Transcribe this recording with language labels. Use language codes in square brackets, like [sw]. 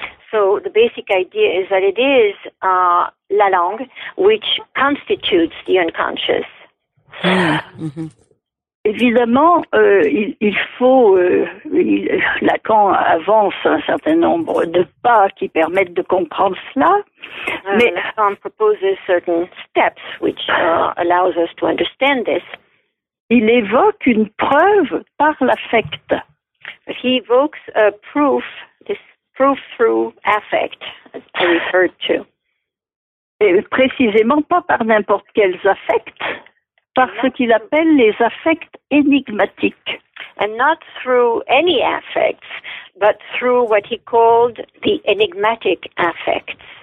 [en] So, the basic idea is that it is la langue which constitutes the unconscious. [fr] Évidemment, il faut, Lacan avance un certain nombre de pas qui permettent de comprendre cela. Mais [en] Lacan proposes certain steps which allows us to understand this. [fr] Il évoque une preuve par l'affect. [en] He evokes a proof, this proof through affect, as I referred to. [fr] Et précisément pas par n'importe quels affects. Par ce qu'il appelle les affects énigmatiques. [en] And not through any affects, but through what he called the enigmatic affects.